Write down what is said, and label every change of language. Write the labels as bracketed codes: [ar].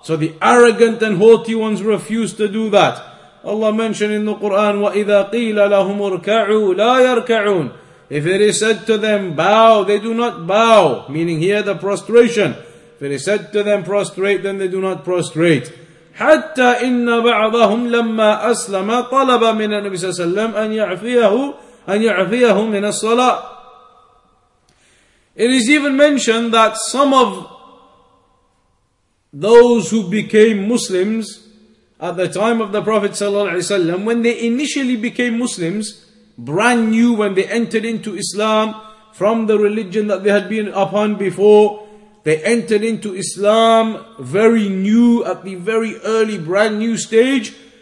[en] So the arrogant and haughty ones refuse to do that. Allah mentioned in the Quran, [ar] وَإِذَا قِيلَ لَهُمُ ارْكَعُوا لَا يَرْكَعُونَ. [en] If it is said to them, bow, they do not bow. Meaning here the prostration. If it is said to them, prostrate, then they do not prostrate. [ar] حتى إن بعضهم لما أسلم طلب من النبي صلى الله عليه وسلم أن يعفيه من الصلاة. [en] It is even mentioned that some of those who became Muslims at the time of the Prophet صلى الله عليه وسلم, when they initially became Muslims, brand new, when they entered into Islam from the religion that they had been upon before, they entered into Islam very new, at the very early brand new stage.